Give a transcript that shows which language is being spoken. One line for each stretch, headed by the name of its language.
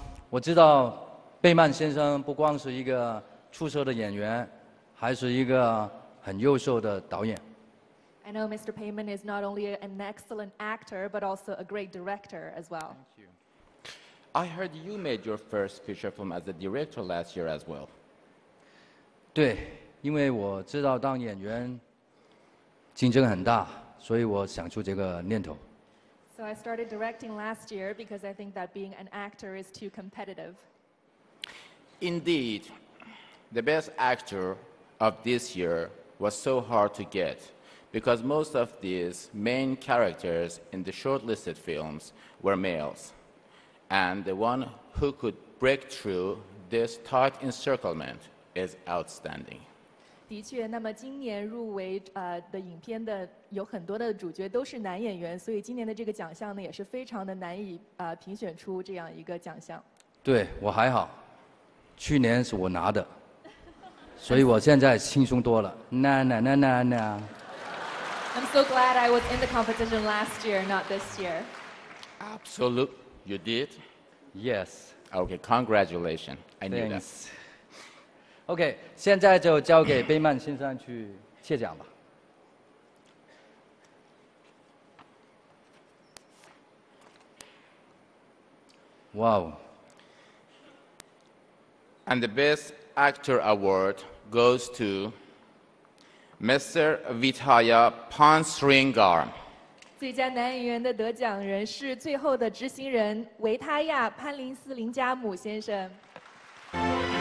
Chinese: 我知道贝曼先生不光是一个出色的演员，还是一个很优秀的导演。
English: I know Mr. Payman is not only an excellent actor, but also a great director as well. Thank you. I heard you made your first feature film as a director last year as well.
Chinese: 对。因为我知道当演员竞争很大，所以我想出这个念头。
English: So I started directing last year because I think that being an actor is too competitive. Indeed, the best actor of this year was so hard to get because most of these main characters in the shortlisted films were males. And the one who could break through this tight encirclement is outstanding.
Chinese: 的确，那么今年入围的影片的有很多的主角都是男演员，所以今年的这个奖项呢也是非常的难以评选出这样一个奖项。对，我还好，去年是我拿的，所以我现在轻松多了。那那那那
English: 那。I'm so glad I was in the competition last year, not this year. Absolutely, you did. Yes. Okay, congratulations. I knew that.
Chinese: OK, 现在就交给贝曼先生去切奖吧。哇哦。
English: And the Best Actor Award goes to Mr. Vitaya Pansringar.
Chinese: 最佳男演员的得奖人是最后的执行人维他亚·潘林斯林加姆先生。